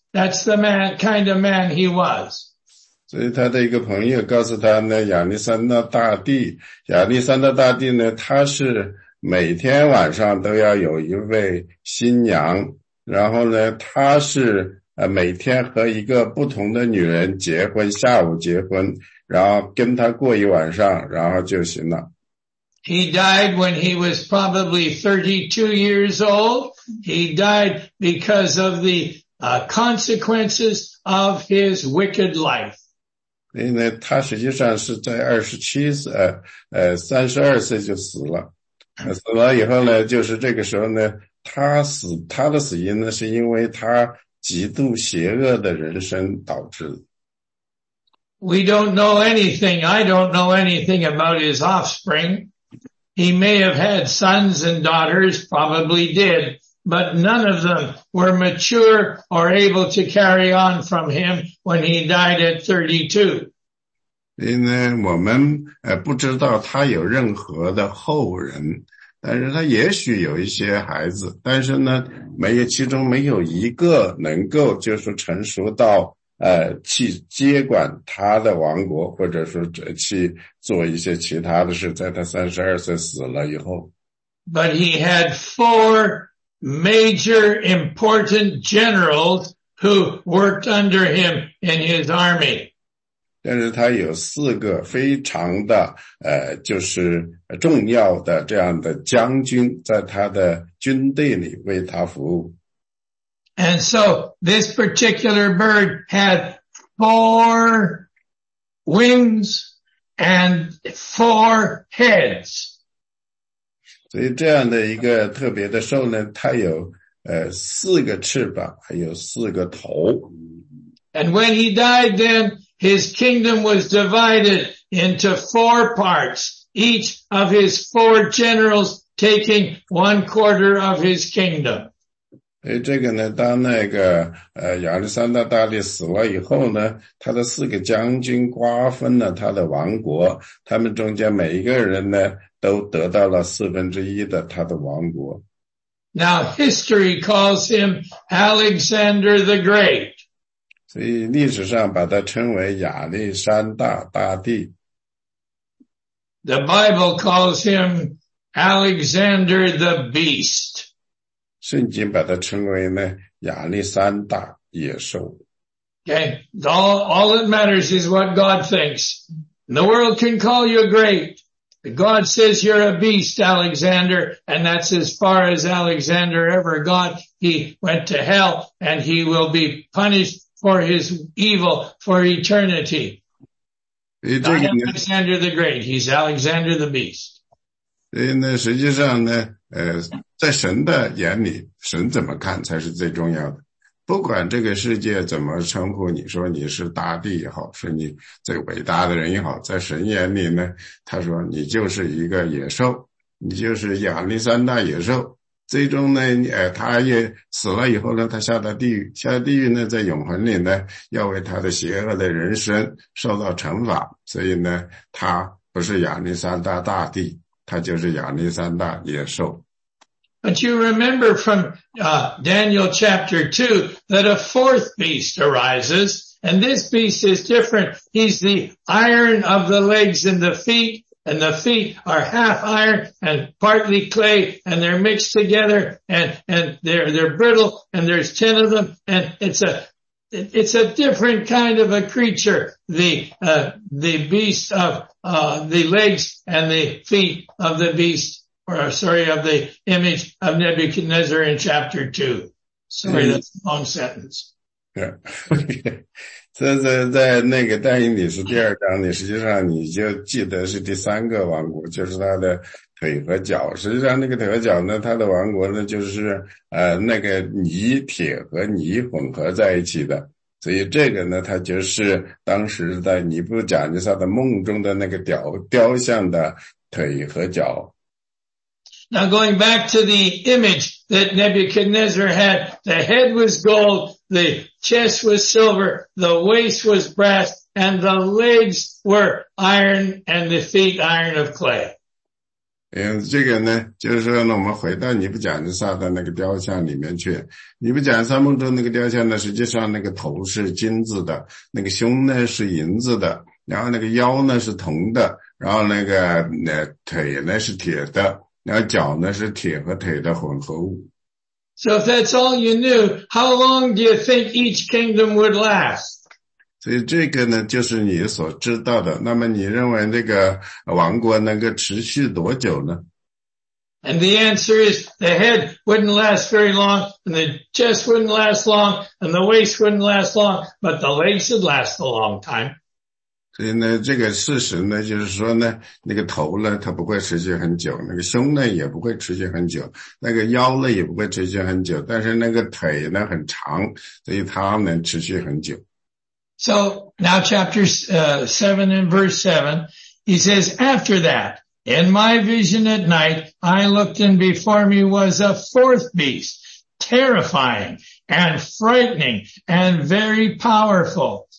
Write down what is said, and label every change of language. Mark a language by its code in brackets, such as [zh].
[en] That's the man, kind of man he was. [zh] 所以他的一个朋友告诉他呢亚历山大大帝呢他是每天晚上都要有一位新娘然后呢他是每天和一个不同的女人结婚下午结婚然后跟他过一晚上然后就行了。 [en] He died when he was probably 32 years old. He died because of the consequences of his wicked life. [zh] 因为他实际上是在32岁就死了。死了以后呢就是这个时候呢他的死因呢是因为他极度邪恶的人生导致。 [en] We don't know anything. I don't know anything about his offspring. He may have had sons and daughters, probably did, but none of them were mature or able to carry on from him when he died at 32. [zh] 因为我们不知道他有任何的后人，但是他也许有一些孩子，但是呢，没有，其中没有一个能够就是成熟到去接管他的王国或者说去做一些其他的事在他32岁死了以后。 [en] But he had four major important generals who worked under him in his army. [zh] 但是他有四个非常的就是重要的这样的将军在他的军队里为他服务。 [en] And so this particular bird had four wings and four heads. [zh] 所以这样的一个特别的兽呢它有四个翅膀还有四个头。 [en] And when he died then, his kingdom was divided into four parts, each of his four generals taking one quarter of his kingdom. [zh] 这个呢当那个亚历山大大帝死了以后呢他的四个将军瓜分了他的王国他们中间每一个人呢都得到了四分之一的他的王国。 [en] Now history calls him Alexander the Great. [zh] 所以历史上把他称为亚历山大大帝。 [en] The Bible calls him Alexander the Beast. [zh] 圣经把他称为呢亚历山大野兽。 [en] Okay, all that matters is what God thinks. The world can call you great. God says you're a beast, Alexander, and that's as far as Alexander ever got. He went to hell, and he will be punished for his evil for eternity. Alexander the Great, he's Alexander the Beast. [zh] 那实际上呢，在神的眼里，神怎么看才是最重要的。不管这个世界怎么称呼你，说你是大帝也好，是你最伟大的人也好，在神眼里呢，他说你就是一个野兽，你就是亚历山大野兽。最终呢，他也死了以后呢，他下到地狱，下到地狱呢，在永恒里呢，要为他的邪恶的人生受到惩罚。所以呢，他不是亚历山大大帝，他就是亚历山大野兽。 [en] But you remember from Daniel chapter 2 that a fourth beast arises, and this beast is different. He's the iron of the legs and the feet are half iron and partly clay, and they're mixed together, and they're brittle, and there's 10 of them, and it's a different kind of a creature, the beast of the legs and the feet of the beast. Of the image of Nebuchadnezzar in chapter 2. Sorry, that's a long sentence. Yeah. [zh] 在那个但以理书第二章里，实际上你就记得是第三个王国，就是他的腿和脚。实际上那个腿和脚呢，他的王国呢，就是那个泥铁和泥混合在一起的。所以这个呢，它就是当时在尼布甲尼撒的梦中的那个雕像的腿和脚。 [en] Now going back to the image that Nebuchadnezzar had, the head was gold, the chest was silver, the waist was brass, and the legs were iron and the feet iron of clay. [zh] 这个呢就是说呢我们回到尼布甲尼撒的那个雕像里面去。尼布甲尼撒梦中那个雕像呢实际上那个头是金子的，那个胸呢是银子的，然后那个腰呢是铜的，然后那腿呢是铁的。然后脚呢是铁和腿的混合物。 [en] So if that's all you knew, how long do you think each kingdom would last? [zh] 所以这个呢就是你所知道的。那么你认为那个王国能够持续多久呢？ [en] And the answer is the head wouldn't last very long, and the chest wouldn't last long, and the waist wouldn't last long, but the legs would last a long time. [zh] 所以呢这个事实呢就是说呢那个头呢它不会持续很久，那个胸呢也不会持续很久，那个腰呢也不会持续很久，但是那个腿呢很长，所以它能持续很久。 [en] So now chapter 7 and verse 7, he says, after that, in my vision at night, I looked and before me was a fourth beast, terrifying and frightening and very powerful.